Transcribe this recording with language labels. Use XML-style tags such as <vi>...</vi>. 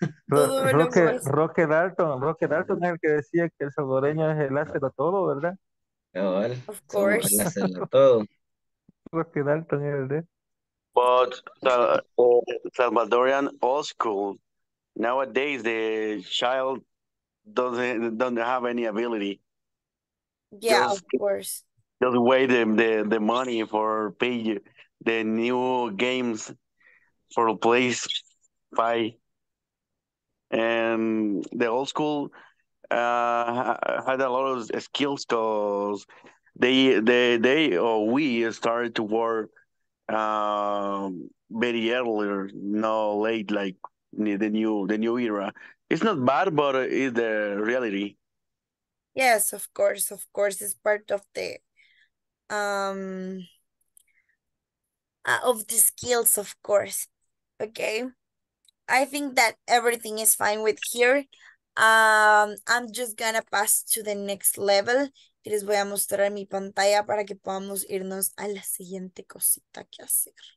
<es>Roque Dalton, Roque Dalton es el que decía que el salvadoreño es el hacerlo todo, ¿verdad?</es> <en>Yeah, well, of course.</en> <es>El hacerlo todo. Roque Dalton es el de.</es> <en>But the Salvadorian old school, nowadays the child doesn't have any ability. Yeah, just, of course. Just wait the money for pay the new games for place fight. And the old school had a lot of skills because we started to work very early, no late, like the new era. It's not bad, but it's the reality. Yes, of course, it's part of the of the skills, of course. Okay. I think that everything is fine with here. I'm just gonna pass to the next level.</en> <es>Y les voy a mostrar mi pantalla para que podamos irnos a la siguiente cosita que hacer.</es>